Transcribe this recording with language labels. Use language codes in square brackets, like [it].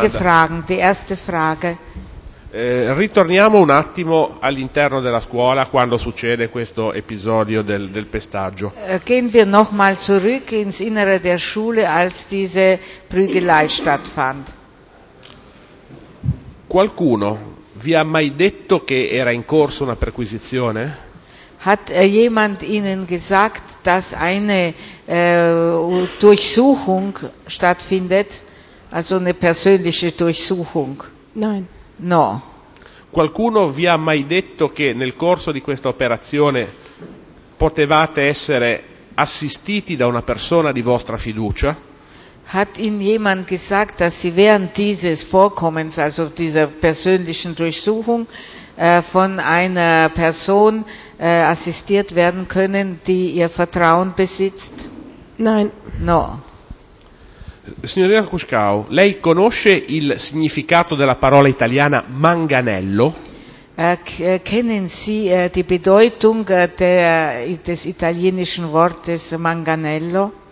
[de] Einige Fragen, die erste Frage. [it] Ritorniamo un attimo all'interno della scuola quando succede questo episodio del pestaggio. [de] Gehen wir noch mal zurück ins Innere der Schule, als diese Prügelei stattfand. [it] Qualcuno vi ha mai detto che era in corso una perquisizione? [de] Hat jemand Ihnen gesagt, dass eine Durchsuchung stattfindet, also eine persönliche Durchsuchung? Nein. [it] No. Qualcuno vi ha mai detto che nel corso di questa operazione potevate essere assistiti da una persona di vostra fiducia? [de] Hat Ihnen jemand gesagt, dass Sie während dieses Vorkommens, also dieser persönlichen Durchsuchung, von einer Person assistiert werden können, die Ihr Vertrauen besitzt? Nein. [it] No. Signorina Cuscau, lei conosce il significato della parola italiana manganello? [de] Kennen Sie die Bedeutung des italienischen Wortes manganello?